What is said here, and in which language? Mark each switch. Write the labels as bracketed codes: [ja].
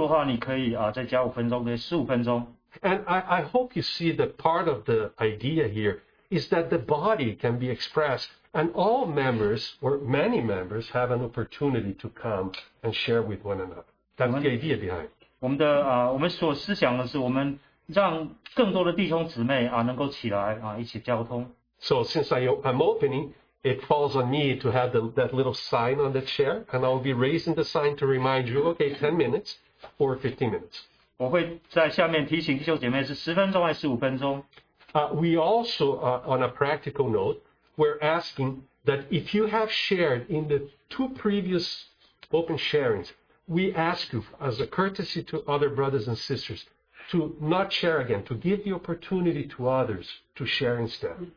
[zh] 如果你真的需要，你交通比较丰富的话，你可以再加5分钟，可以15分钟。 [en] And I hope you see that part of the idea here is that the body can be expressed and all members or many members have an opportunity to come and share with one another. That's the idea behind. [zh] 我们所思想的是我们让更多的弟兄姊妹能够起来一起交通。 [en] So since I'm opening, it falls on me to have that little sign on the chair and I'll be raising the sign to remind you, okay, 10 minutes or 15 minutes. [zh] 我会在下面提醒弟兄姐妹是10分钟还是15分钟。 [en] We also, on a practical note, we're asking that if you have shared in the two previous open sharings, we ask you, as a courtesy to other brothers and sisters, to not share again, to give the opportunity to others to share instead.